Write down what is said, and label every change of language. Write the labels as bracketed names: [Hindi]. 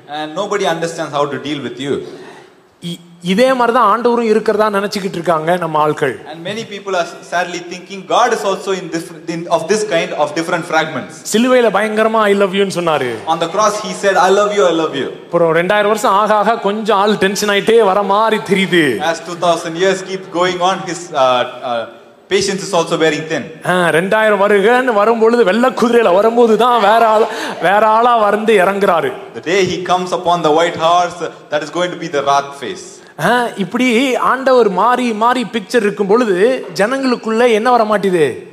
[English] And nobody understands how to deal with you. [Tamil] இதே மாதிரி தான் ஆண்டவரும் இருக்கறதா நினைச்சிட்டு இருக்காங்க நம்ம ஆட்கள். [English] And many people are sadly thinking God is also in this in of this kind of different fragments. [Tamil] சிலுவையில பயங்கரமா [English] I love you [Tamil] ன்னு சொன்னாரு. [English] On the cross he said I love you, I love you. [Tamil] அப்புறம் 2000 வருஷம் ஆக ஆக கொஞ்சம் all tension ஆயிட்டே வர மாதிரி தெரியுது. [English] As 2000 years keep going on, his patience is also wearing thin. [Tamil] 2000 வருகன்னு வரும்பொழுது வெள்ள குதிரையில வரும்போது தான் வேற ஆளா வந்து இறங்குறாரு. [English] The day he comes upon the white horse, that is going to be the wrath face. [Tamil] இப்படி ஆண்டவர் மாறி மாறி பிக்சர் இருக்கும் பொழுது ஜனங்களுக்குள்ள என்ன வர மாட்டேது?